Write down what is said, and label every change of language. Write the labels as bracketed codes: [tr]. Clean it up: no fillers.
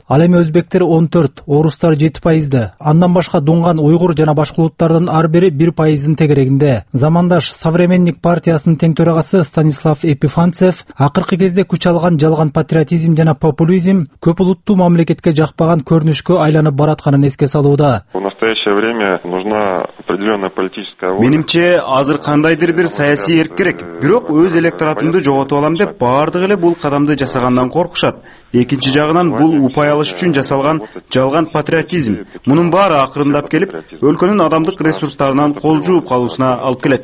[ky] Ал эми өзбектер 14, орустар 7%, андан башка дунган, уйгур жана башка улуттардын ар бири 1% тегерегинде. Замандаш Современник партиясынын тең төрагасы Станислав Эпифанцев акыркы кезде күч алган жалган патриотизм жана популизм көп улуттуу мамлекетке жакпаган көрүнүшкө айланып баратканын эске салууда. [ru] В настоящее время нужна определенная политическая воля. [ky] Менимче азыр кандайдыр бир саясий эрк керек, бирок өз электоратымды жоготуп алам деп баардык эле бул кадамды жасагандан коркушат. Экинчи жагынан бул упай алыш үчүн жасалган жалган патриотизм. Мунун баары акырындап келип өлкөнүн адамдык ресурстарынан кол жууп калуусуна алып келет.